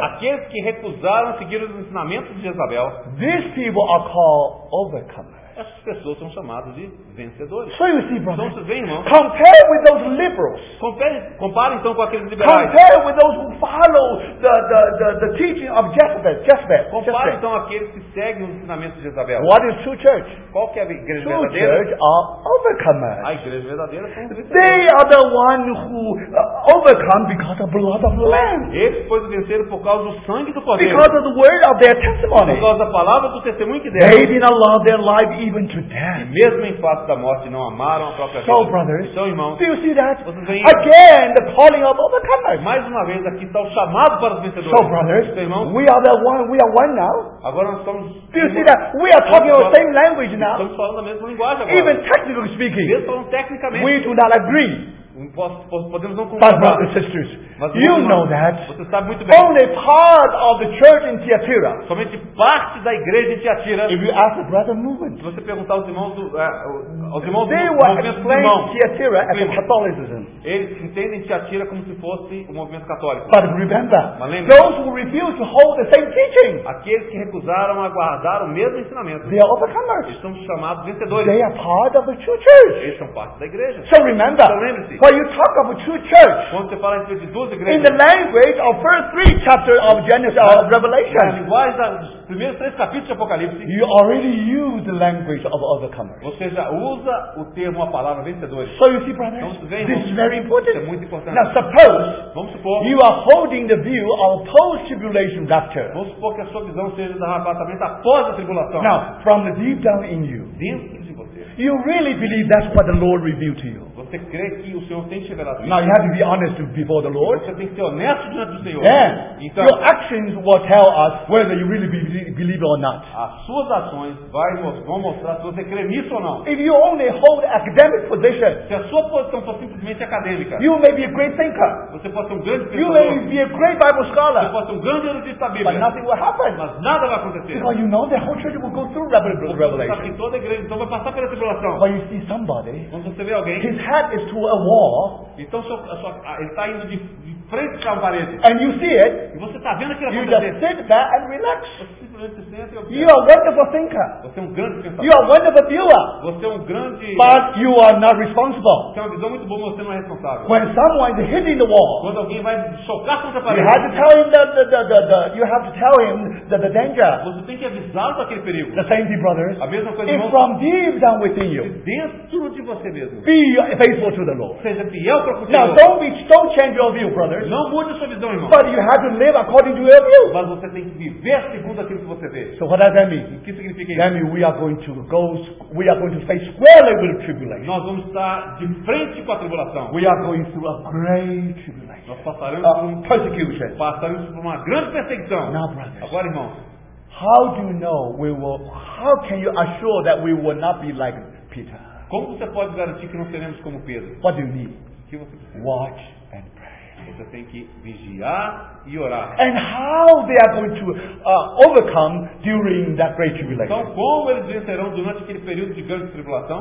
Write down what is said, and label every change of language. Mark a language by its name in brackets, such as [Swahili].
[Portuguese] Aqueles que recusaram seguir os ensinamentos de Jezabel. [English] These people are called overcomers. [Portuguese] Essas pessoas são chamadas de vencedores. [English] So you see, brother, [Portuguese] então, vem, irmão. [English] Compare with those liberals. [Portuguese] Compare então com aqueles liberais. [English] Compare with those who follow the teaching of Jezebel. [Portuguese] Compare então aqueles que seguem os ensinamentos de Jezabel. [English] What is true church? [Portuguese] Qual que é a igreja [English] true [Portuguese] verdadeira? [English] True church are overcomers. [Portuguese] A igreja verdadeira são vencedores. [English] They are the ones who overcome because of blood of lamb. [Portuguese] Eles pois venceram por causa do sangue do cordeiro. [English] Because of the word of their testimony. [Portuguese] Por causa da palavra do testemunho que deram. [English] They did not love their life even to death. [Portuguese] E mesmo em face da morte não amaram a própria vida. [English] So, brothers, [Portuguese] então, irmãos, [English] do you see that? [Portuguese] Vocês veem? [English] Again, the calling of overcomers. [Portuguese] Mais uma vez aqui está o chamado para os vencedores. [English] So, brothers, [Portuguese] então, irmãos, [English] we are the one. We are one now. [Portuguese] Agora nós somos. [English] Do you see that? We are talking the same language now. [Portuguese] Estamos falando a mesma linguagem agora. [English] Even technically speaking. [Portuguese] Mesmo falando tecnicamente. [English] We do not agree. [Portuguese] Podemos não concordar. [English] But brothers, sisters, [Portuguese] mas, [English] you know that. [Portuguese] Você sabe muito bem. [English] Only part of the church in Thyatira. [Portuguese] Somente parte da igreja em Thyatira. [English] If you ask the brother movement, [Portuguese] você perguntar aos irmãos do, aos irmãos [English] they [Portuguese] do movimento do irmão, Thyatira [English] as Catholicism. [Portuguese] Eles entendem Thyatira como se fosse o movimento católico. [English] But remember, [Portuguese] mas lembre-se, [English] those who refuse to hold the same teaching, [Portuguese] aqueles que recusaram a guardar o mesmo ensinamento, [English] they are overcomers. [Portuguese] Eles são chamados vencedores. [English] They are part of the true church. [Portuguese] Eles são parte da igreja. [English] So remember, [Portuguese] então lembre-se. [English] When you talk of a true church, [Portuguese] quando você fala de duas igrejas, [English] in the language of first three chapters of Genesis of Revelation, [Portuguese] linguagem dos primeiros três capítulos de Apocalipse, [English] you already use the language of overcomers. [Portuguese] Você já usa o termo, a palavra vencedores. [English] So you see, brother, this is very important. [Portuguese] É muito importante. [English] Now suppose, [Portuguese] vamos supor, [English] you are holding the view of post tribulation rapture. [Portuguese] Vamos supor que a sua visão seja do arrebatamento após a tribulação. [English] Now from the deep down in you, you really believe that's what the Lord revealed to you. [Portuguese] Você crê que o Senhor tem te revelado? [English] Now you have to be honest before the Lord. [Portuguese] Você tem que ser honesto diante do Senhor. [English] Yeah. [Portuguese] Então, [English] your actions will tell us whether you really believe it or not. [Portuguese] As suas ações vão mostrar se você crê nisso ou não. [English] If you only hold academic position, [Portuguese] se a sua posição for simplesmente acadêmica, [English] you may be a great thinker. [Portuguese] Você pode ser um grande pensador. [English] You may be a great Bible scholar. [Portuguese] Você pode ser um grande erudito da Bíblia. [English] But nothing will happen. [Portuguese] Mas nada vai acontecer. [English] Because you know the whole church will go through Revelation. [Portuguese] Você sabe que toda a igreja então vai passar pela tribulação. [English] When you see somebody, [Portuguese] quando você vê alguém, [English] is to a wall. [Portuguese] Então ele está indo de frente para a parede. [English] And you see it. [Portuguese] E você está vendo aquilo acontecer. [English] You just sit back and relax. [Portuguese] Você [English] you are a wonderful thinker. [Portuguese] Você é um grande pensador. [English] You are a wonderful viewer. [Portuguese] Você é um grande. [English] But you are not responsible. [Portuguese] Você tem uma visão muito boa, mas você não é responsável. [English] When someone is hitting the wall, [Portuguese] quando alguém vai chocar contra a parede, [English] you have to tell him you have to tell him the danger. [Portuguese] Você tem que avisar daquele perigo. [English] The same thing, brothers. [Portuguese] A mesma coisa, irmãos. [English] It's from deep down within you. [Portuguese] Dentro de você mesmo. [English] Be faithful to the Lord. [Portuguese] Seja fiel para o Senhor. [English] Now don't change your view, brothers. [Portuguese] Não mude sua visão, irmão. [English] But you have to live according to your view. [Portuguese] Mas você tem que viver segundo aquilo que você vê. [English] So what does that mean? [Portuguese] O que significa isso? [English] That means we are going to face squarely with the tribulation. [Portuguese] Nós vamos estar de frente com a tribulação. [English] We are going through a great tribulation. [Portuguese] Nós passaremos por [English] persecution. [Portuguese] Passaremos por uma grande perseguição. [English] Now, brothers. [Portuguese] Agora, irmão. [English] How do you know we will? How can you assure that we will not be like Peter? [Portuguese] Como você pode garantir que não seremos como Pedro? [English] What do you need? [Portuguese] Que você precisa? [English] Watch and pray. [Portuguese] Você tem que vigiar e orar. [English] And how they are going to overcome during that great tribulation? [Portuguese] Então, como eles vencerão durante aquele período de grande tribulação?